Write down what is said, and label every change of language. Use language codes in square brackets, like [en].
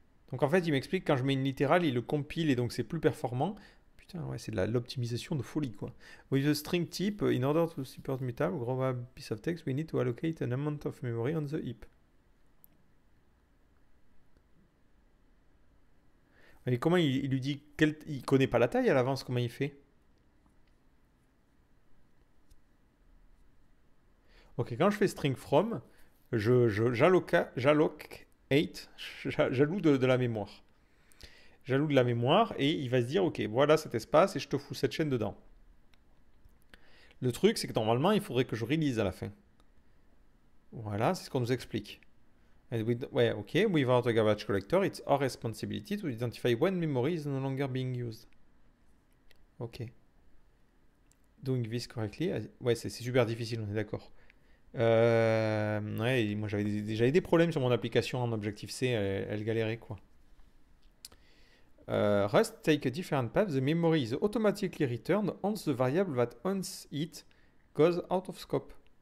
[fr] Donc en fait, il m'explique quand je mets une littérale, il le compile et donc c'est plus performant. Putain, ouais, c'est de l'optimisation de folie, quoi. [en] With the string type, in order to support mutable, grab piece of text, we need to allocate an amount of memory on the heap. [fr] Mais comment il lui dit qu'il ne connaît pas la taille à l'avance, comment il fait? Ok, quand je fais string from, j'alloue de la mémoire. J'alloue de la mémoire et il va se dire, ok, voilà cet espace et je te fous cette chaîne dedans. Le truc, c'est que normalement, il faudrait que je release à la fin. Voilà, c'est ce qu'on nous explique. Ouais, ok, [en] without a garbage collector, it's our responsibility to identify when memory is no longer being used. [fr] Ok. [en] Doing this correctly. [fr] Ouais, c'est super difficile, on est d'accord. Ouais, moi j'avais des problèmes sur mon application en Objective-C, elle galérait quoi. [en] Rust take a different path. The memory is automatically returned once the variable that owns it goes out of scope.